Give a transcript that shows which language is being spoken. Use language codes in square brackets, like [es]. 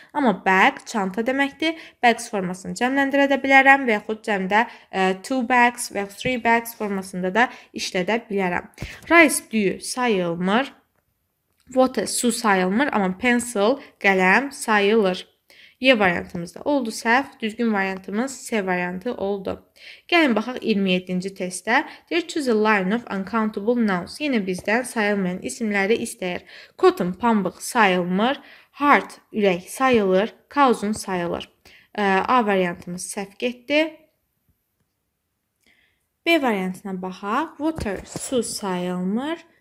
[az] Amma bag çanta deməkdir. Bags formasını cəmləndirə də bilərəm və yaxud cəmdə two bags və yaxud three bags formasında da işlədə bilərəm. Rice düyü sayılmır. Water su sayılmır, amma pencil qələm sayılır. Y variantımızda oldu səhv, düzgün variantımız C variantı oldu. Gəlin baxaq 27-ci testdə. Deyir, [en] choose a line of uncountable nouns. [az] Yenə bizdən sayılmayan isimləri istəyir. Cotton, pambıq sayılmır. Heart, ürək sayılır. Cousin sayılır. A variantımız səhv getdi. B variantına baxaq. Water, su sayılmır.